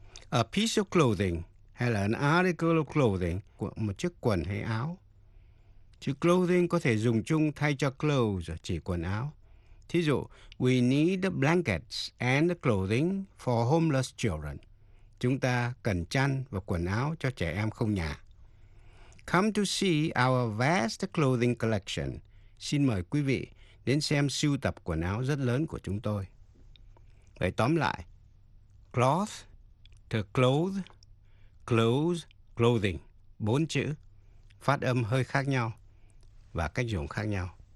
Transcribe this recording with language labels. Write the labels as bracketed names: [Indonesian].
[English] A piece of clothing [Vietnamese] hay là [English] an article of clothing, [Vietnamese] một chiếc quần hay áo. Chữ clothing có thể dùng chung thay cho clothes, chỉ quần áo. Thí dụ, [English] we need blankets and clothing for homeless children. [Vietnamese] Chúng ta cần chăn và quần áo cho trẻ em không nhà. [English] Come to see our vast clothing collection. [Vietnamese] Xin mời quý vị đến xem sưu tập quần áo rất lớn của chúng tôi. Vậy tóm lại, cloth, to clothe, clothes, clothing, bốn chữ, phát âm hơi khác nhau và cách dùng khác nhau.